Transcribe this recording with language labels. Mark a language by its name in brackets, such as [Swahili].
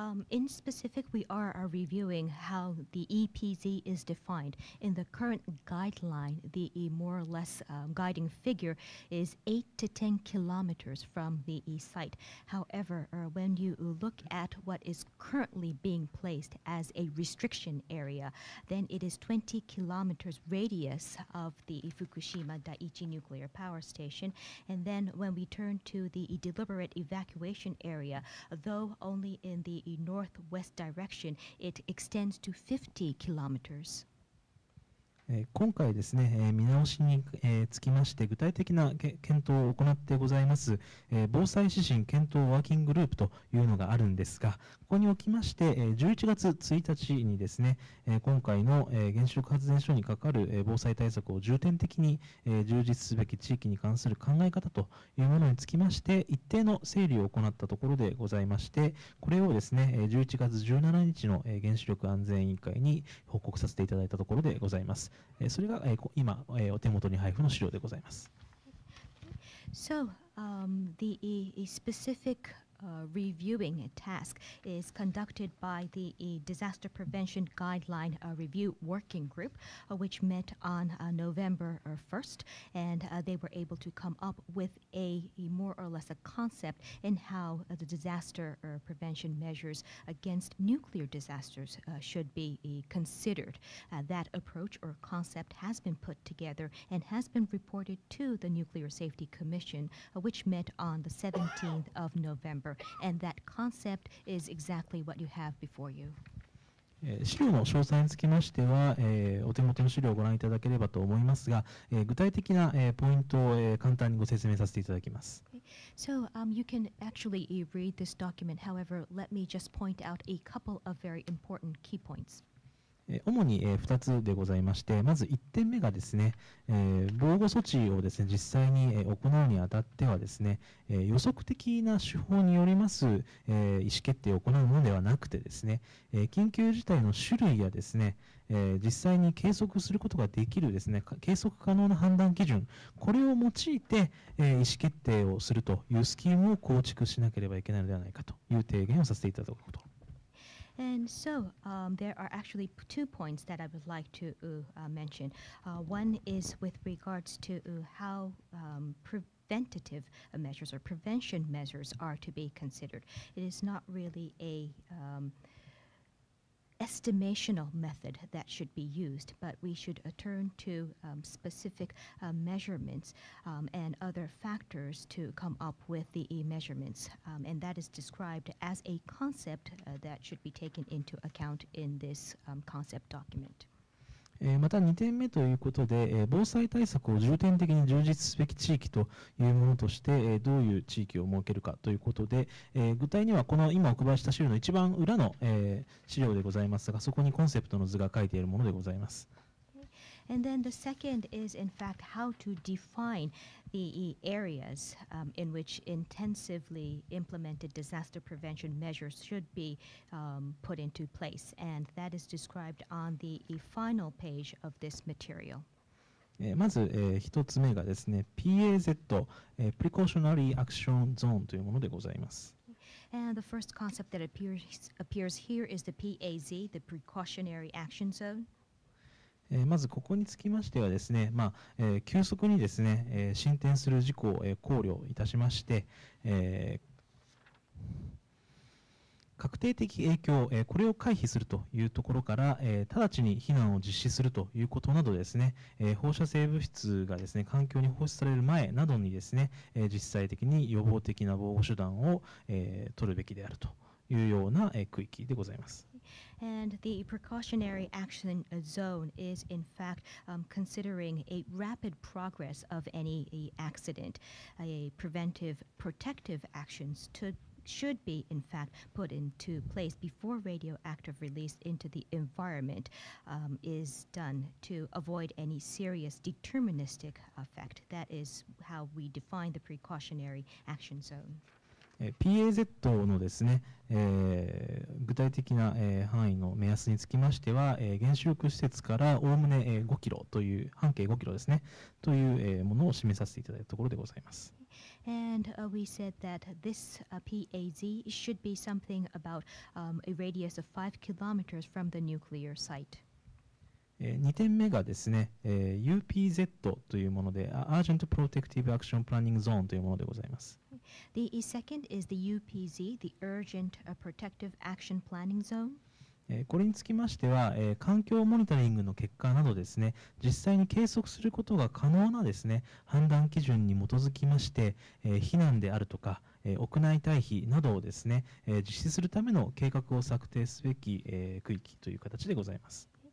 [English] In specific, we are reviewing how the EPZ is defined. In the current guideline, the more or less guiding figure is 8 to 10 kilometers from the site. However, when you look at what is currently being placed as a restriction area, then it is 20 kilometers radius of the Fukushima Daiichi Nuclear Power Station. And then when we turn to the deliberate evacuation area, though only in theNorthwest direction, it extends to 50 kilometers. [Japanese] 今回ですね、見直しにつきまして具体的な検討を行ってございます、防災指針検討ワーキンググループというのがあるんですが、ここにおきまして、11月1日にですね、今回の原子力発電所にかかる防災対策を重点的に充実すべき地域に関する考え方というものにつきまして、一定の整理を行ったところでございまして、これをですね、11月17日の原子力安全委員会に報告させていただいたところでございます。それが今、お手元に配布の資料でございます。 [English] So, the specificreviewing task is conducted by the Disaster Prevention Guideline Review Working Group, which met on November 1st, and they were able to come up with a more or less a concept in how the disaster prevention measures against nuclear disasters should be considered. That approach or concept has been put together and has been reported to the Nuclear Safety Commission, which met on the 17th of November. And that concept is exactly what you have before you. [Japanese] 資料の詳細につきましては、お手元の資料をご覧いただければと思いますが、具体的な、ポイントを、簡単にご説明させていただきます。 [English] So, you can actually read this document. However, let me just point out a couple of very important key points. [Japanese] 主に2つでございまして、まず1点目がですね、防護措置をですね、実際に行うにあたってはですね、予測的な手法によります意思決定を行うのではなくてですね、緊急事態の種類やですね、実際に計測することができるですね、計測可能な判断基準、これを用いて意思決定をするというスキームを構築しなければいけないのではないかという提言をさせていただくこと。 [English] And so there are actually two points that I would like to mention. One is with regards to how preventative measures or prevention measures are to be considered. It is not really a estimational method that should be used, but we should turn to specific measurements and other factors to come up with the measurements. And that is described as a concept that should be taken into account in this concept document. [Japanese] また2点目ということで、防災対策を重点的に充実すべき地域というものとして、どういう地域を設けるかということで、具体にはこの今お配りした資料の一番裏の、資料でございますが、そこにコンセプトの図が書いているものでございます。 [English] And then the second is, in fact, how to define the areas in which intensively implemented disaster prevention measures should be put into place. And that is described on the final page of this material. [Japanese] まず、一つ目がですね、PAZ、Precautionary Action Zone というものでございます。 [English] And the first concept that appears here is the PAZ, the Precautionary Action Zone. [Japanese] まずここにつきましてはですね、まあ急速にですね、進展する事故を考慮いたしまして、確定的影響、これを回避するというところから、直ちに避難を実施するということなどですね、放射性物質がですね、環境に放出される前などにですね、実際的に予防的な防護手段を、取るべきであるというような、区域でございます。 [English] And the precautionary action zone is in fact considering a rapid progress of any accident. A preventive protective actions should be in fact put into place before radioactive release into the environment is done to avoid any serious deterministic effect. That is how we define the precautionary action zone. [Japanese] PAZ のですね、具体的な、範囲の目安につきましては、原子力施設からおおむね、5キロという半径5キロですねという、ものを示させていただいたところでございます。 [English] And we said that this PAZ should be something about a radius of 5 kilometers from the nuclear site. [Japanese] 2点目がですね、UPZ というもので、Urgent Protective Action Planning Zone というものでございます。 [English] The second is the UPZ, the Urgent Protective Action Planning Zone. [Japanese] これにつきましては、環境モニタリングの結果などですね、実際に計測することが可能なですね、判断基準に基づきまして、避難であるとか、屋内退避などをですね、実施するための計画を策定すべき、区域という形でございます。